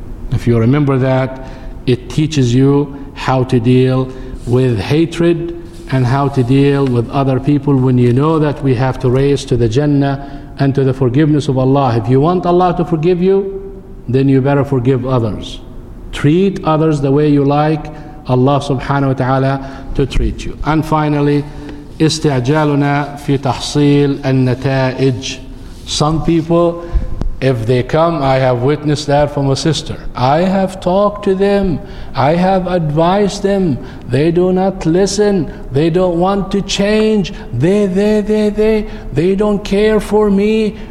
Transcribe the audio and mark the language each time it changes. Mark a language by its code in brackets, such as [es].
[en] If you remember that, it teaches you how to deal with hatred and how to deal with other people when you know that we have to raise to the Jannah and to the forgiveness of Allah. If you want Allah to forgive you, then you better forgive others. Treat others the way you like Allah subhanahu wa ta'ala to treat you. And finally, [ar] استعجالنا في تحصيل النتائج. [en] Some people, if they come, I have witnessed that from a sister. I have talked to them. I have advised them. They do not listen. They don't want to change. They don't care for me.